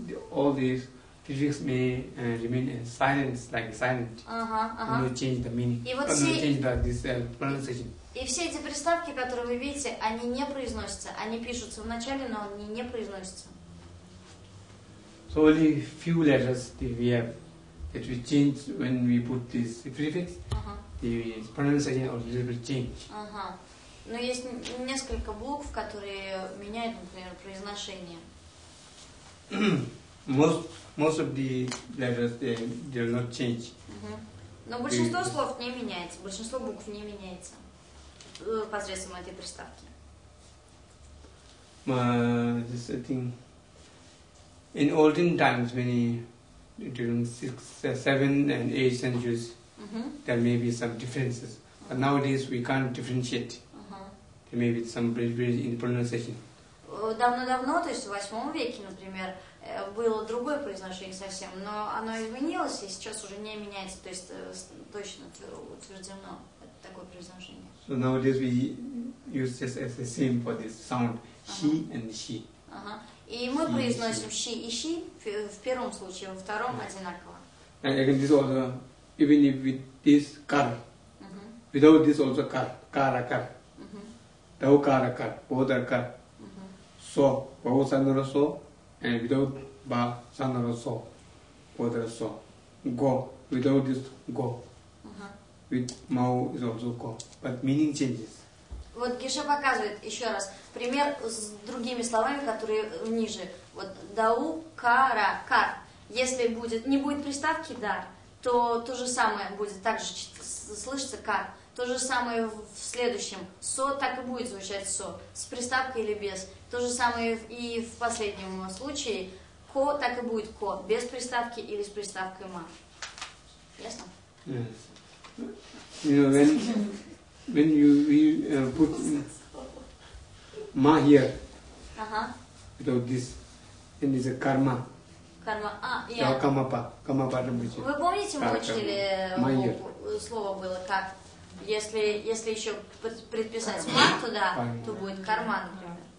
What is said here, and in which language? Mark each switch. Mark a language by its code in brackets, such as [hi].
[en] All these prefix may remain in silence, like silent. Uh-huh, uh-huh. No change the meaning. Pronunciation. [ru] И все эти приставки, которые вы видите, они не произносятся. Они пишутся в начале, но они не произносятся. [en] So only few letters that we have that we change when we put this prefix, the pronunciation of the letter change. [ru] Ага. Но есть несколько букв, которые меняют, например, произношение. [en] Most of the letters they will not change. [ru] Но большинство слов не меняется. Большинство букв не меняется. Посредством этой приставки. [en] This I think in olden times, many during 6th, 7th, and 8th centuries, there may be some differences. But nowadays we can't differentiate. There may be some difference in pronunciation. [ru] Давно-давно, то есть в [en] 8th century, [ru] например, было другое произношение совсем, но оно изменилось и сейчас уже не меняется, то есть точно утверждено такое произношение. [en] So nowadays we use just as the same for this sound, she and she. [ru] И мы произносим she и she в первом случае, во втором одинаково. [en] And again, this also, even if with this car, without this also car, car, car. Tau car, car, bodar car. So, bau sandara so, and without ba sandara so, bodar so. Go, without this go. With mau is also go. But meaning changes. [ru] Вот Гиша показывает еще раз пример с другими словами, которые ниже. Вот дау, кара, кар. Если будет, не будет приставки дар, то же самое будет так же слышится кар. То же самое в следующем. Со так и будет звучать со. С приставкой или без. То же самое и в последнем случае. Ко так и будет ко. Без приставки или с приставкой ма. Ясно? [en] Yes. You know, when we put ma here, without this, then it's a karma. Karma, yeah. Or kamapa, kamapa Rinpoche. [ru] Вы помните, мы учили слово было как? Если еще предписать ма туда, то будет карма, например.